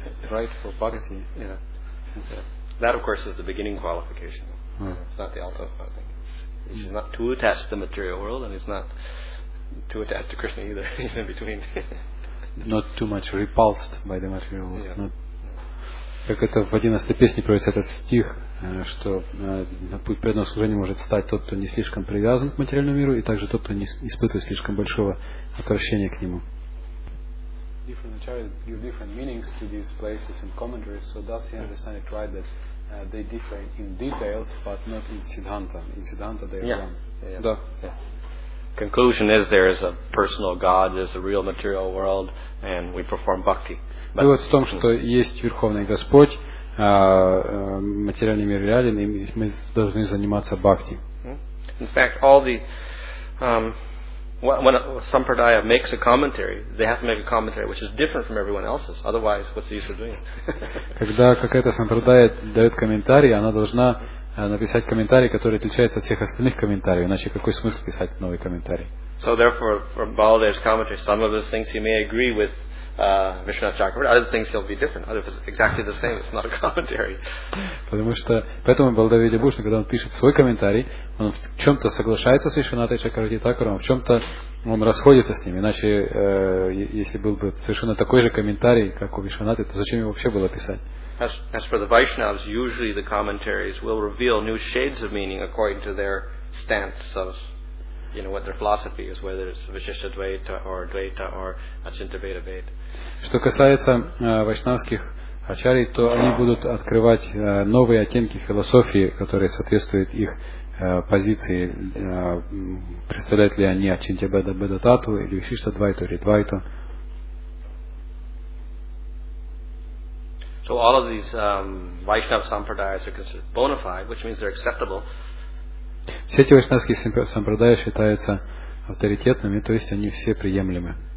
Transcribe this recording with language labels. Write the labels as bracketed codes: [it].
[en] Right for bhakti. Yeah. That of course is the beginning qualification. Mm. It's not the alto, I think. He's not too attached to the material world, and he's not too attached to Krishna either. He's in between. Not too much repulsed by the material world. Yeah. [ru] Not, как это в 11-й песне приводится этот стих, что на путь преданного служения может стать тот, кто не слишком привязан к материальному миру, и также тот, кто не испытывает слишком большого отвращения к нему. [en] Different acharyas give different meanings to these places and commentaries, so that's the understanding right that they differ in details, but not in Siddhanta. In Siddhanta they are one. Yeah. Conclusion is there is a personal God, there's a real material world, and we perform bhakti. [ru] Вывод в том, что есть Верховный Господь, материальный мир реален, и мы должны заниматься бхакти. [en] In fact, all the when Sampradaya makes a commentary, they have to make a commentary which is different from everyone else's. Otherwise, what's the use of doing it? [ru] Когда какая-то Сампрадая дает комментарий, она должна написать комментарий, который отличается от всех остальных комментариев. Иначе какой смысл писать новый комментарий? [en] So therefore, from Baladev's commentary, some of the things he may agree with Vishwanath Chakravarti, other things he'll be different. Other things exactly the same. It's not a commentary. [ru] Потому что поэтому Баладеви Дебушна, когда он пишет свой комментарий, он в чем-то соглашается с Вишванатой Чакравати Такуром, а в чем-то он расходится с ним. Иначе, если был бы совершенно такой же комментарий, как у Вишванаты, то зачем ему вообще было писать? [en] As for the Vaishnavas, usually the commentaries will reveal new shades of meaning according to their stance of, you know, what their philosophy is, whether it's Vishishta Dvaita or Dvaita or Achinta Veda Veda. [ru] Что касается вайшнавских ачарий, то они будут открывать новые оттенки философии, которые соответствуют их позиции. Представляют ли они Ачинтя Беда Беда Тату или Вишишта Двайту или Двайту. [en] So all of these Vaishnava Sampradayas are considered bona fide, which means they're acceptable. [ru] Все эти вайшнавские сампрадаи считаются авторитетными, то есть они все приемлемы.